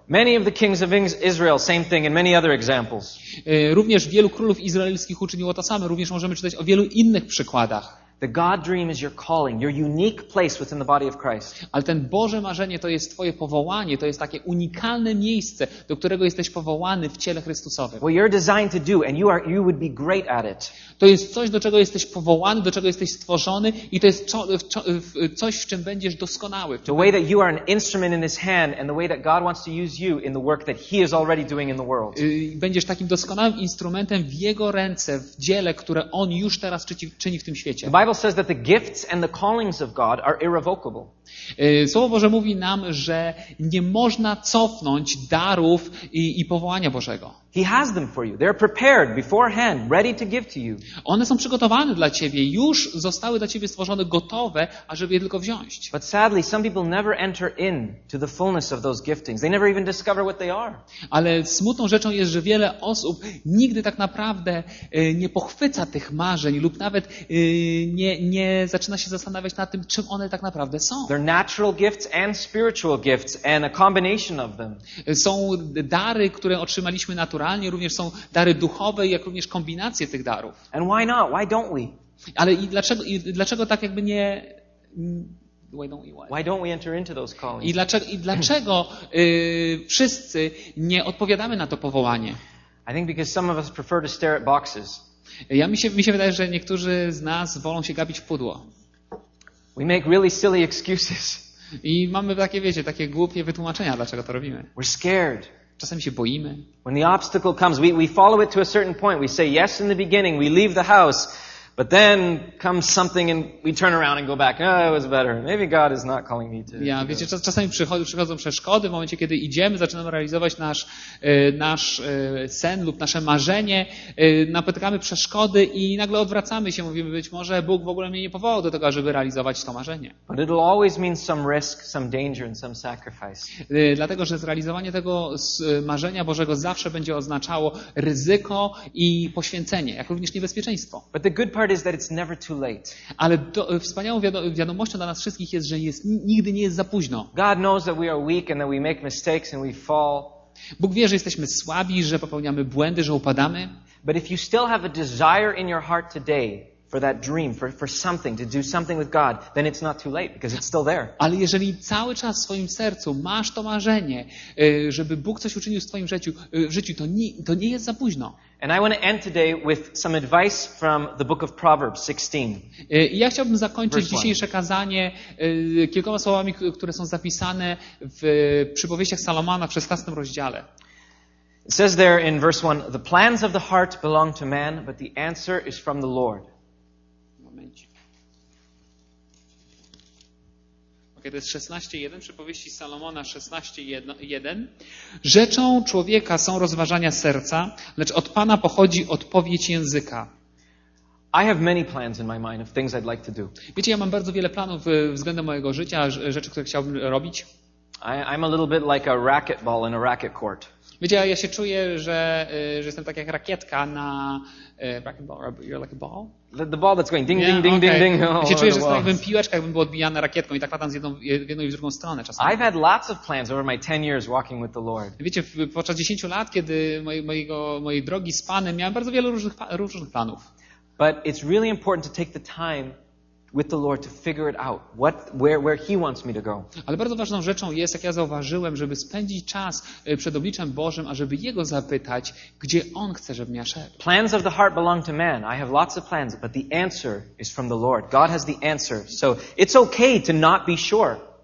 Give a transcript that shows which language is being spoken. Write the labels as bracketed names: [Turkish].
[English] Many of the kings of Israel, same thing, and many other examples. [Polish] Również wielu królów izraelskich uczyniło to samo. Również możemy czytać o wielu innych przykładach. [English] The God dream is your calling, your unique place within the body of Christ. [Polish] Ale ten Boże marzenie to jest twoje powołanie, to jest takie unikalne miejsce, do którego jesteś powołany w ciele Chrystusowym. [English] What you're designed to do, and you would be great at it. [Polish] To jest coś, do czego jesteś powołany, do czego jesteś stworzony, i to jest coś, w czym będziesz doskonały. [English] The way that you are an instrument in his hand, and the way that God wants to use you in the work that he is already doing in the world. [Polish] Będziesz takim doskonałym instrumentem w jego ręce, w dziele, które on już teraz czyni w tym świecie. [English] Bible says that the gifts and the callings of God are irrevocable. [Polish] Słowo Boże mówi nam, że nie można cofnąć darów i powołania Bożego. [English] He has them for you. They're prepared beforehand, ready to give to you. [Polish] One są przygotowane dla ciebie, już zostały dla ciebie stworzone, gotowe, ażeby je tylko wziąć. [English] But sadly, some people never enter in to the fullness of those giftings. They never even discover what they are. [Polish] Ale smutną rzeczą jest, że wiele osób nigdy tak naprawdę nie pochwyca tych marzeń lub nawet nie zaczyna się zastanawiać nad tym, czym one tak naprawdę są. [English] They're natural gifts and spiritual gifts and a combination of them. [Polish] Są dary, które otrzymaliśmy naturalnie, również są dary duchowe, jak również kombinacje tych darów. [English] And why not? Why don't we? [Polish] Ale i dlaczego tak jakby nie... [English] Why don't we what? Why don't we enter into those callings? [Polish] I dlaczego wszyscy nie odpowiadamy na to powołanie? [English] I think because some of us prefer to stare at boxes. [Polish] Ja mi się wydaje, że niektórzy z nas wolą się gapić w pudło. [English] We make really silly excuses. [Polish] I mamy takie, wiecie, takie głupie wytłumaczenia, dlaczego to robimy. [English] We're scared. [Polish] Czasem się boimy. [English] When the obstacle comes, we follow it to a certain point. We say yes in the beginning, we leave the house, But then comes something and we turn around and go back. Oh, it was better. Maybe God is not calling me to. [Polish] Ja, wiecie, czasami przychodzą przeszkody w momencie, kiedy idziemy, zaczynamy realizować nasz sen lub nasze marzenie, napotykamy przeszkody i nagle odwracamy się, mówimy, być może Bóg w ogóle mnie nie powołał do tego, żeby realizować to marzenie. [English] But it'll always mean some risk, some danger and some sacrifice. [Polish] Dlatego, że zrealizowanie tego marzenia Bożego zawsze będzie oznaczało ryzyko i poświęcenie, jak również niebezpieczeństwo. [English] But the good part is that it's never too late. [Polish] Ale wspaniałą wiadomością dla nas wszystkich jest, że jest nigdy nie jest za późno. [English] God knows that we are weak and that we make mistakes and we fall. [Polish] Bóg wie, że jesteśmy słabi, że popełniamy błędy, że upadamy. [English] But if you still have a desire in your heart today for that dream, for something, to do something with God, then it's not too late because it's still there. [Polish] Ale jeżeli cały czas w swoim sercu masz to marzenie, żeby Bóg coś uczynił w twoim życiu, to nie jest za późno. [English] And I want to end today with some advice from the book of Proverbs 16. [Polish] Ja chciałbym zakończyć dzisiejsze kazanie kilkoma słowami, które są zapisane w Przypowieściach Salomona w 16 rozdziale. [English] It says there in verse 1, the plans of the heart belong to man, but the answer is from the Lord. [Polish] Okay, to jest 16:1, Przypowieści Salomona 16:1. Rzeczą człowieka są rozważania serca, lecz od Pana pochodzi odpowiedź języka. [English] I have many plans in my mind of things I'd like to do. [Polish] Wiecie, ja mam bardzo wiele planów względem mojego życia, rzeczy, które chciałbym robić. [English] I'm a little bit like a racquetball in a racket court. [Polish] Wiecie, ja się czuję, że jestem tak jak rakietka na racquetball. [English] You're like a ball? The ball that's going ding, yeah, ding, ding, okay. Ding, ding. [Polish] Ja się czuję, że jestem jakbym piłeczka, jakbym był odbijany rakietką i tak latam w jedną i w drugą stronę czasami. [English] I've had lots of plans over my 10 years walking with the Lord. [Polish] Wiecie, podczas 10 lat, kiedy mojej drogi z Panem, miałem bardzo wiele różnych planów. [English] But it's really important to take the time with the Lord to figure it out what where he wants me to go. [Polish] Ale bardzo ważną rzeczą jest, jak ja zauważyłem, żeby spędzić czas przed obliczem Bożym, ażeby jego zapytać, gdzie on chce, żebym ja szedł. [English] Plans of the heart belong to man. I have lots of plans, but the answer is from the Lord. God has the answer. So it's okay to not be sure.